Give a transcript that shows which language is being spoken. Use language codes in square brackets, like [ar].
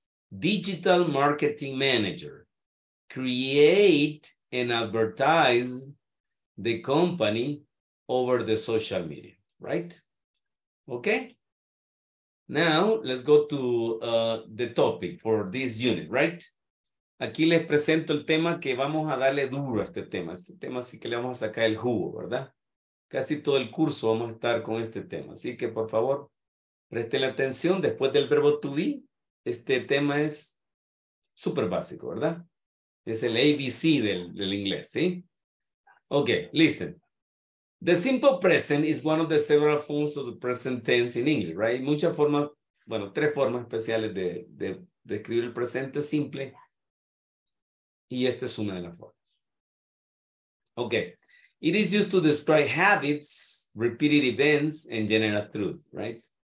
[en] Digital marketing manager. Create and advertise the company over the social media, right? Okay. Now, let's go to the topic for this unit, right? [es] Aquí les presento el tema que vamos a darle duro a este tema. Este tema sí que le vamos a sacar el jugo, ¿verdad? Casi todo el curso vamos a estar con este tema. Así que, por favor, presten atención. Después del verbo to be, este tema es súper básico, ¿verdad? Es el ABC del inglés, ¿sí? [en] Okay, listen. The simple present is one of the several forms of the present tense in English, right? [es] Muchas formas, bueno, tres formas especiales de escribir el presente simple. Y esta es una de las formas. Okay. [en] It is used to describe habits, repeated events, and general truth, right?